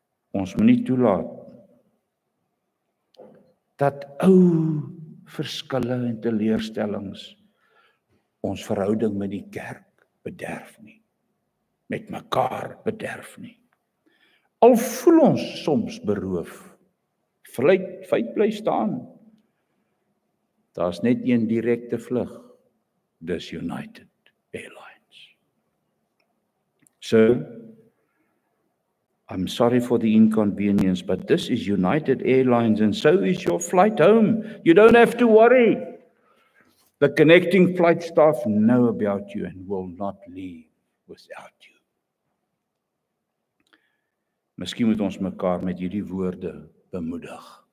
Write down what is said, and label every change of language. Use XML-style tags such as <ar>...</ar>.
<af>Ons moenie toelaat dat ou verskille en teleurstellings ons verhouding met die kerk bederf nie, met mekaar bederf nie. Al voel ons soms beroof, feit bly staan, daar is net een direkte vlug, dis United Airlines.</af> <en>So, I'm sorry for the inconvenience, but this is United Airlines and so is your flight home. You don't have to worry. The connecting flight staff know about you and will not leave without you.</en> <af>Miskien moet ons mekaar met hierdie woorde bemoedig.</af>